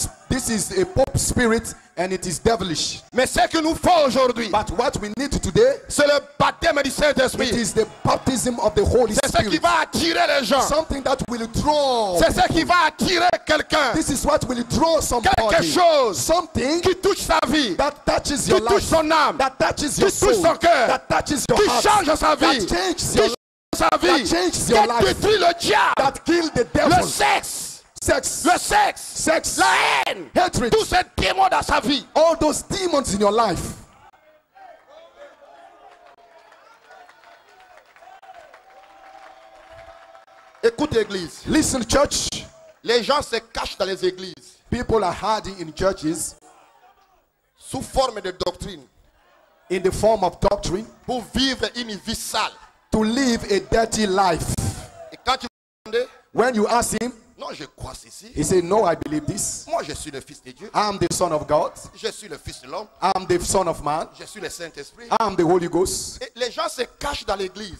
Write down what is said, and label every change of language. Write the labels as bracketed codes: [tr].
[en] this is a pope spirit and it is devilish [fr] mais ce que nous faut aujourd'hui [en] but what we need today [fr] c'est le baptême du Saint-Esprit [en] it is the baptism of the Holy [fr] c'est [en] Spirit [fr] c'est ce qui va attirer les gens [en] something that will draw [fr] c'est ce qui va attirer quelqu'un [en] this is what will draw somebody [fr] quelque chose [en] something [fr] qui touche sa vie [en] that touches [fr] qui [en] your life [fr] qui touche son âme [en] that touches [fr] qui [en] your soul [fr] qui touche son cœur [en] that touches your [fr] qui [en] heart [fr] qui change sa vie [en] that changes [fr] qui [en] your life [fr] sa vie [en] that changes your life [fr] qui détruit le diable [en] that kills the devil [fr] le sexe [en] Sex. [fr] Le sexe. [en] Sex. [fr] La haine. [en] Hatred. [fr] Tous ces démons dans sa vie. [en] All those demons in your life. [fr] Écoute église. [en] Listen church. [fr] Les gens se cachent dans les églises. [en] People are hiding in churches. [fr] Sous forme de doctrine. [en] In the form of doctrine. [fr] Pour vivre une vie sale. [en] To live a dirty life. [fr] Et quand tu demandes. [en] When you ask him. [fr] Non, je crois ceci. [en] He said, no, I believe this. [fr] Moi, je suis le fils de Dieu. [en] I'm the son of God. [fr] Je suis le fils de l'homme. [en] I'm the son of man. [fr] Je suis le Saint-Esprit. [en] I'm the Holy Ghost. [fr] Et les gens se cachent dans l'église.